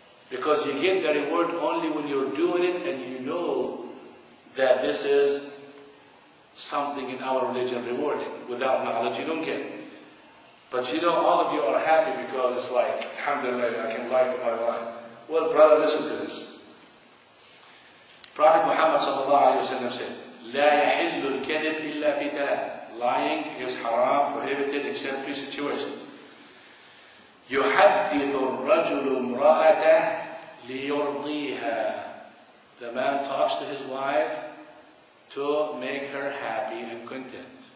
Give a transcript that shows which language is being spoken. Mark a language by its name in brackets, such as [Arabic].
[English] Because you get the reward only when you're doing it and you know that this is something in our religion rewarding. Without knowledge, you don't get it. But you know, all of you are happy because it's like, alhamdulillah, I can lie to my wife. Well, brother, listen to this. Prophet Muhammad ﷺ said, [Arabic] لَا يَحِلُّ الْكَذِبْ إِلَّا فِي ثَلَاثٍ. [English] Lying is haram, prohibited, except three situations. [Arabic] يُحَدِّثُ الرَّجُلُ امْرَأَتَهُ لِيُرْضِيهَا. [English] The man talks to his wife to make her happy and content.